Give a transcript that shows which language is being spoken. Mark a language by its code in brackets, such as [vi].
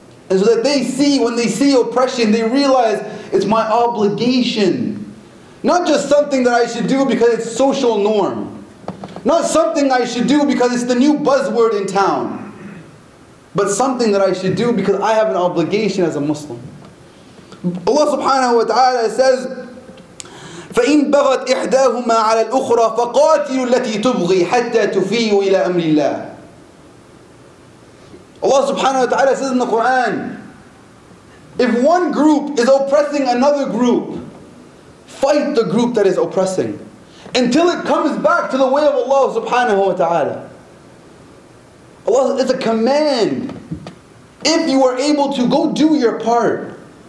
[en] And so that they see, when they see oppression, they realize it's my obligation. Not just something that I should do because it's social norm. Not something I should do because it's the new buzzword in town. But something that I should do because I have an obligation as a Muslim. [ar] Allah subhanahu wa ta'ala says, فَإِن بَغَتْ إِحْدَاهُمَا عَلَى الْأُخْرَى فَقَاتِلُوا الَّتِي تُبْغِي حَتَّى تُفِيهُ إِلَىٰ أَمْرِ اللَّهِ. [en] Allah subhanahu wa ta'ala says in the Quran, if one group is oppressing another group, fight the group that is oppressing until it comes back to the way of Allah subhanahu wa ta'ala. Allah, it's a command. If you are able to, go do your part.